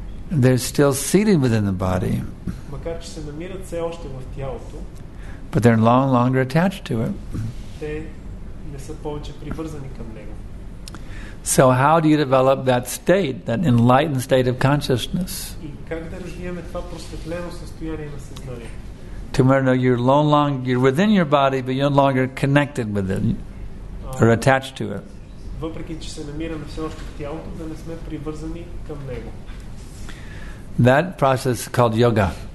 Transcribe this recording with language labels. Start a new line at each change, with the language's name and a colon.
English: They're still seated within the body.
Bulgarian: Макар че се намират все още в тялото,
English: but they're no longer attached to it.
Bulgarian: Те не са повече привързани към него.
English: So how do you develop that state, that enlightened state of consciousness?
Bulgarian: И как да развиваме това просветлено състояние на съзнанието?
English: To where you're within your body, but you're no longer connected with it or attached to it.
Bulgarian: Въпреки че се намираме все още в тялото, да не сме привързани към него.
English: That process is called yoga.